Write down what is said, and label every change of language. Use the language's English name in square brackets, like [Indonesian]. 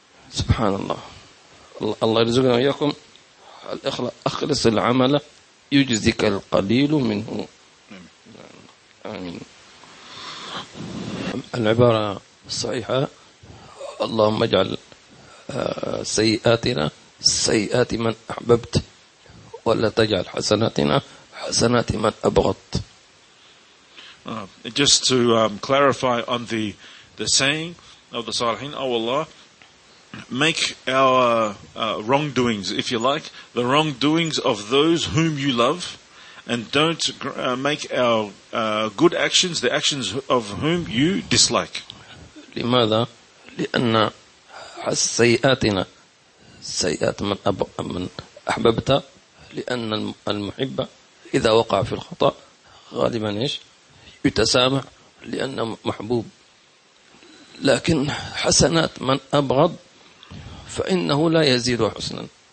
[Arabic] سبحان الله، الله يرزقنا وإياكم أخلص العمل يجزك القليل منه، آمين. العبارة الصحيحة اللهم اجعل سيئاتنا سيئات من أحببت ولا تجعل حسناتنا حسنات من أبغضت. [English] Just to clarify on the saying of the Salihin, oh Allah, make our wrongdoings, if you like, the wrongdoings of those whom you love, and don't make our good actions the actions of whom you dislike. [Arabic] لماذا؟ لأن سيئاتنا سيئات من أحببت، لأن المحب إذا وقع في الخطأ غالبا إيش؟ يتسامح لأنه محبوب، لكن حسنات من أبغض فإنه لا يزيد حسنا